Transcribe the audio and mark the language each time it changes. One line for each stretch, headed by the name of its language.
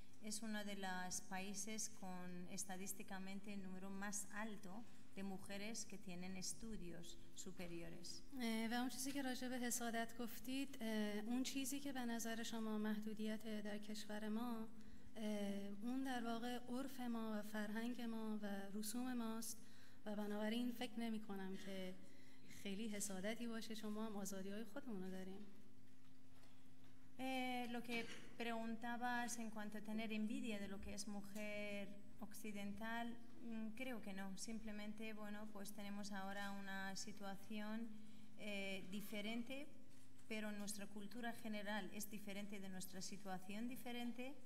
Spanish: Es uno de los países con estadísticamente el número más alto de mujeres que tienen estudios superiores.
Persian: و اون چیزی که راجع به حسادت گفتید، اون چیزی که به نظر شما محدودیت در کشور ما، اون در واقع عرف ما و فرهنگ ما و رسوم ماست و بنابراین فکر نمی کنم که خیلی حسادتی باشه چون ما هم آزادی های خودمون رو داریم.
Spanish: Lo que preguntabas en cuanto a tener envidia de lo que es mujer occidental, creo que no. Simplemente, bueno, pues tenemos ahora una situación diferente, pero nuestra cultura general es diferente de nuestra situación diferente.